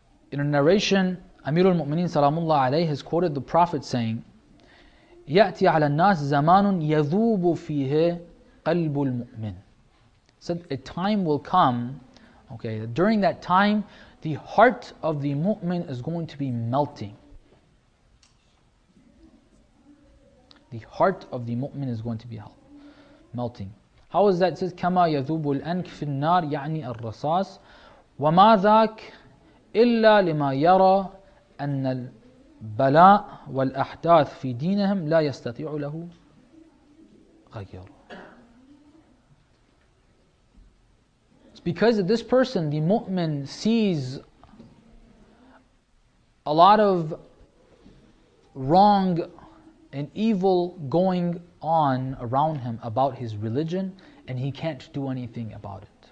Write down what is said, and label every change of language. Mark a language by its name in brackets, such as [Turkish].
[English] In a narration, Amir al-Mu'mineen salamullah alayhi has quoted the Prophet saying, [Arabic] يَأْتِي عَلَى النَّاسِ زَمَانٌ يَذُوبُ فِيهِ قَلْبُ الْمُؤْمِنِ. [English] Said, a time will come. Okay, during that time, the heart of the mu'min is going to be melting. The heart of the mu'min is going to be melting. How is that? It says, [Arabic] كَمَا يَذُوبُ الْأَنْكِ فِي النَّارِ يَعْنِي الرَّصَاصِ وَمَا ذَاكَ إِلَّا لِمَا يَرَى أَنَّ الْبَلَاءَ وَالْأَحْدَاثِ فِي دِينِهِمْ لَا يَسْتَطِيعُ لَهُ غَيْرُ. [English] Because this person, the mu'min, sees a lot of wrong and evil going on around him about his religion, and he can't do anything about it.